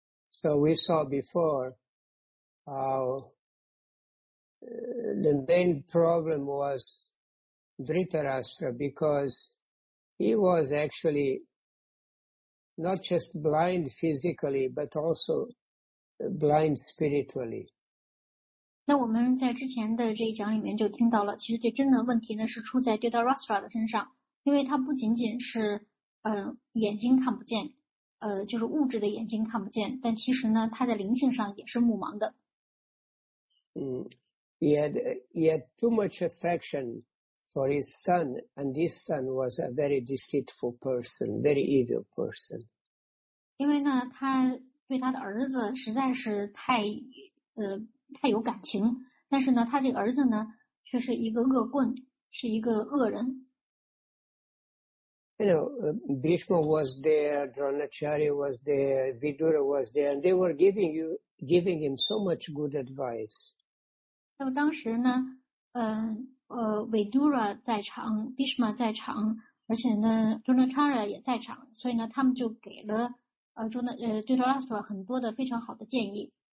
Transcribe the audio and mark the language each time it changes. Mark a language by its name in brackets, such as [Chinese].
[English] So we saw before how the main problem was Dhritarashtra, because he was actually not just blind physically, but also blind spiritually. [Chinese] 那我们在之前的这一讲里面就听到了，其实最真的问题呢是出在 Dhritarashtra 的身上，因为他不仅仅是眼睛看不见，就是物质的眼睛看不见，但其实呢他在灵性上也是目盲的。 [English] He had too much affection for his son, and this son was a very deceitful person, very evil person. [Chinese] 因为呢他对他的儿子实在是太有感情，但是呢他这个儿子呢却是一个恶棍，是一个恶人。 [English] You know, Bhishma was there, Dronacharya was there, Vidura was there, and they were giving him so much good advice. [Chinese] 那么当时呢Vidura 在场， Bhishma 在场，而且呢 Dronacharya 也在场，所以呢他们就给了Dhritarashtra 很多的非常好的建议。